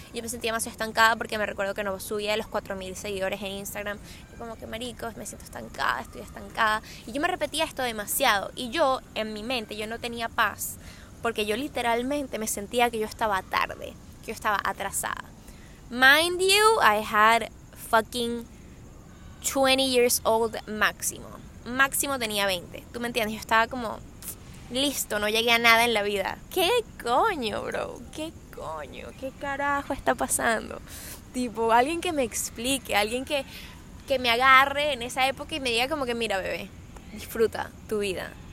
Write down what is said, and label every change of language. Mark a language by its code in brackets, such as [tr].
[es] Yo me sentía demasiado estancada porque me recuerdo que no subía de los 4000 seguidores en Instagram, y como que, maricos, me siento estancada, estoy estancada. Y yo me repetía esto demasiado, y yo, en mi mente, yo no tenía paz, porque yo literalmente me sentía que yo estaba tarde, que yo estaba atrasada. [en] Mind you, I had fucking 20 years old máximo. [es] Máximo tenía 20. ¿Tú me entiendes? Yo estaba como, listo, no llegué a nada en la vida. ¿Qué coño, bro? ¿Qué coño? ¿Qué carajo está pasando? Tipo, alguien que me explique, alguien que me agarre en esa época y me diga como que, mira, bebé, disfruta tu vida.